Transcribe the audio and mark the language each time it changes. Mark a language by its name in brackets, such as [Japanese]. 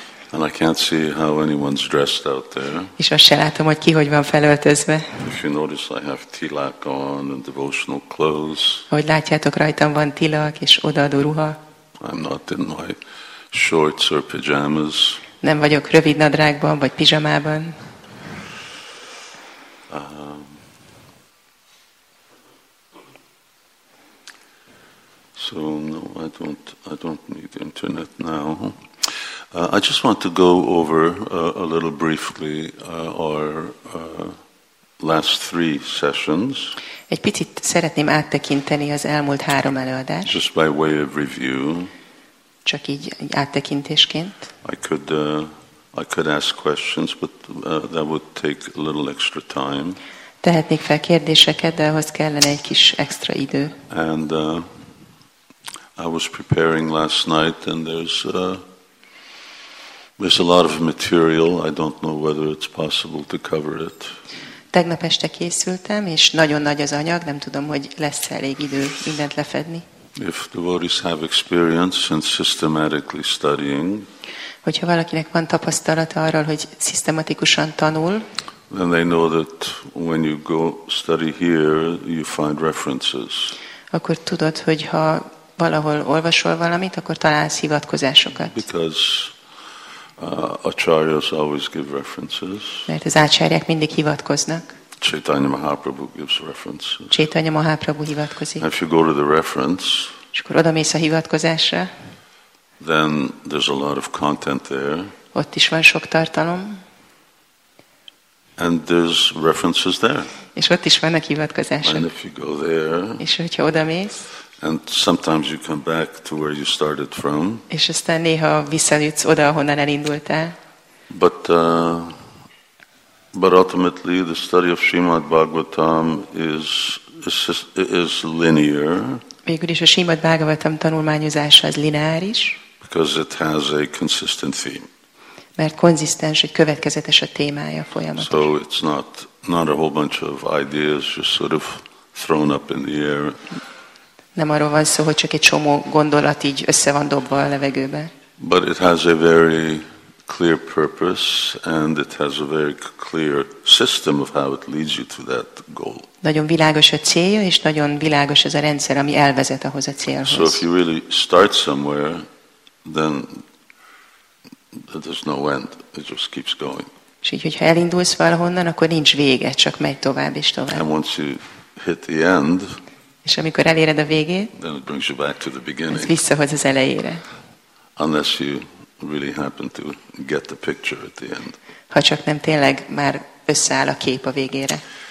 [English] And I can't see how anyone's dressed out there. [Hungarian] És azt se látom, hogy ki hogy van felöltözve. [English] If you notice, I have tilak on and devotional clothes. [Hungarian] Ahogy látjátok, rajtam van tilak és odaadó ruha. [English] I'm not in my shorts or pajamas. [Hungarian] Nem vagyok rövid nadrágban vagy pizsamában. [English] So no, I don't need internet now. I just want to go over a little briefly our last three sessions. [Hungarian] Egy picit szeretném áttekinteni az elmúlt három előadást. [English] Just by way of review. [Hungarian] Csak így áttekintésként. [English] I could ask questions, but that would take a little extra time. [Hungarian] Tehetnék fel kérdéseket, de ahhoz kellene egy kis extra idő. [English] And I was preparing last night, and there's a lot of material. I don't know whether it's possible to cover it. [Hungarian] Tegnap este készültem, és nagyon nagy az anyag. Nem tudom, hogy lesz elég idő mindent lefedni. [English] If devotees have experience in systematically studying, [Hungarian] hogyha valakinek van tapasztalata arról, hogy szisztematikusan tanul, [English] then they know that when you go study here, you find references. [Hungarian] Akkor tudod, hogy ha valahol olvasol valamit, akkor találsz hivatkozásokat. [English] Because acharyas always give references. [Hungarian] Mert az ácsárják mindig hivatkoznak. [English] Chaitanya Mahaprabhu gives references. [Hungarian] Chaitanya Mahaprabhu hivatkozik. [English] And if you go to the reference, [Hungarian] és akkor odamész a hivatkozásra, [English] then there's a lot of content there. [Hungarian] Ott is van sok tartalom. [English] And there's references there. [Hungarian] És ott is vannak hivatkozások. [English] And if you go there, [Hungarian] és hogyha odamész, [English] and sometimes you come back to where you started from. [Hungarian] És aztán néha visszajutsz oda, ahonnan elindultál. [English] But ultimately, the study of Srimad Bhagavatam is linear. [Hungarian] Végül is a Srimad Bhagavatam tanulmányozása az lineáris. [English] Because it has a consistent theme. [Hungarian] Mert konzisztens, egy következetes a témája folyamatosan. [English] So it's not a whole bunch of ideas just sort of thrown up in the air. [Hungarian] Nem arról van szó, hogy csak egy csomó gondolat így össze van dobva a levegőbe. [English] But it has a very clear purpose, and it has a very clear system of how it leads you to that goal. [Hungarian] Nagyon világos a célja, és nagyon világos ez a rendszer, ami elvezet ahhoz a célhoz. [English] So if you really start somewhere, then there's no end. It just keeps going. [Hungarian] És így, hogyha elindulsz valahonnan, akkor nincs vége, csak megy tovább és tovább. [English] And once you hit the end, [Hungarian] és amikor eléred a végét, [English] then it brings you back to the beginning. [Hungarian] Ez visszahoz az elejére. [English] Unless you really happen to get the picture at the end. [Hungarian] Ha csak nem tényleg már összeáll a kép a végére.